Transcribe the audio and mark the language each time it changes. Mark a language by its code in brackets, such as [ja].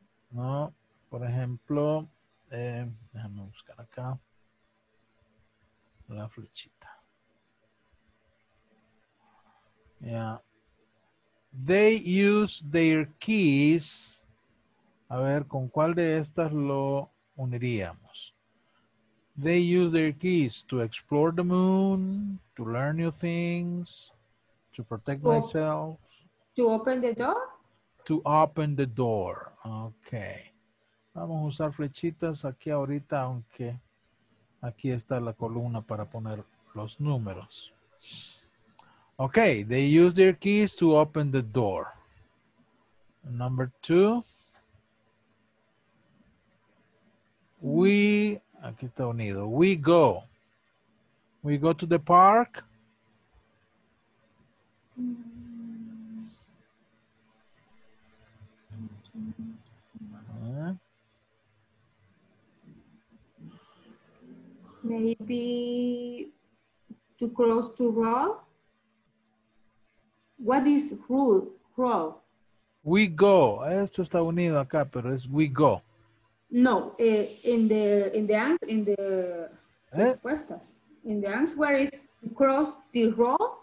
[es] ¿No? Por ejemplo, déjame buscar acá la flechita. [en] Yeah. They use their keys. [es] A ver, ¿con cuál de estas lo uniríamos? [en] They use their keys to explore the moon, to learn new things, to protect myself. To open the door? To open the door. Okay. [es] Vamos a usar flechitas aquí ahorita, aunque aquí está la columna para poner los números. [en] Okay, they use their keys to open the door. Number two. We, [es] aquí está unido, [en] we go. We go to the park. Maybe to cross to road? What is road? We go. [es] Esto está unido acá, pero es [en] we go. [es] No, respuestas. [en] In the answer is to cross the road.